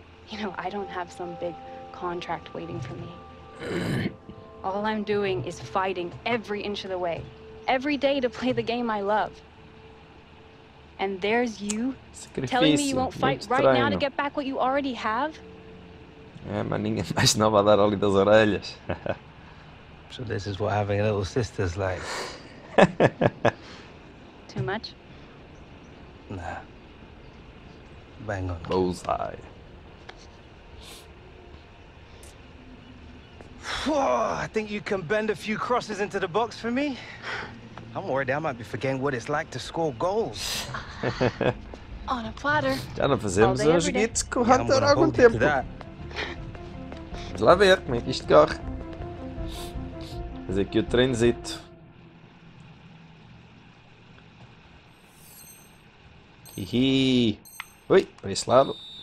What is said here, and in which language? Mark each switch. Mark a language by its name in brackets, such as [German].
[English] You know, I don't have some big contract waiting for me. All I'm doing is fighting every inch of the way, every day to play the game I love. And there's you, telling me you won't fight right now to get back what you already have? [Portuguese] É, maninha mais nova a dar ali das orelhas. [English] So this is what having a little sister's like. Too much? Nah. Bang on. Bullseye. Whoa, I think you can bend a few crosses into the box for me. I'm worried I might be forgetting what it's like to score goals. On a platter. [Portuguese] Já não fazemos uns joguitos com o Hunter há algum tempo. Vamos lá ver como é que isto corre. Fazer aqui o treinozito. Hihi. Ui, para esse lado.